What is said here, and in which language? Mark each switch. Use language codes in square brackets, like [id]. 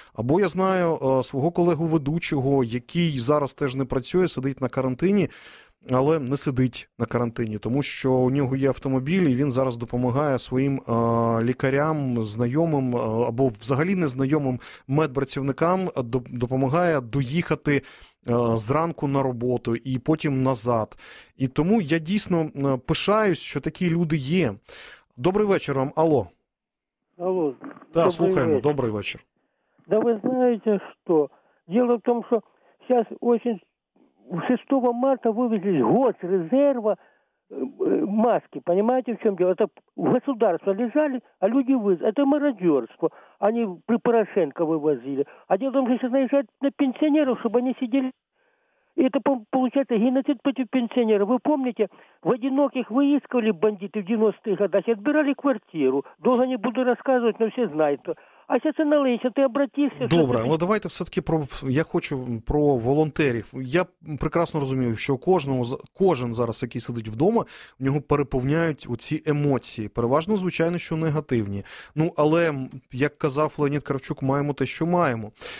[uk] Або я знаю свого колегу-ведучого, який зараз теж не працює, сидить на карантині, але не сидить на карантині, тому що у нього є автомобіль, і він зараз допомагає своїм лікарям, знайомим або взагалі незнайомим медпрацівникам, допомагає доїхати зранку на роботу і потім назад. І тому я дійсно пишаюсь, що такі люди є. Добрий вечір вам, алло. Алло. [ru] Да, добрый слухаем. Вечер. Добрый вечер. Да вы знаете что? Дело в том, что сейчас очень... 6 марта вывезли госрезерва маски. Понимаете, в чем дело? Это государство лежали, а люди вывезли. Это мародерство. Они при Порошенко вывозили. А дело в том, что сейчас наезжают на пенсионеров, чтобы они сидели... И это получается геноцид против пенсионеров. Вы помните, в одиноких выискивали бандиты в 90-х годах и отбирали квартиру. Долго не буду рассказывать, но все знают. А сейчас и налейся, ты обратишься. [uk] Добре, але давайте все-таки про, я хочу про волонтерів. Я прекрасно розумію, що кожного, кожен зараз, який сидить вдома, в нього переповняють оці емоції. Переважно, звичайно, що негативні. Ну, але, як казав Леонід Кравчук, маємо те, що маємо.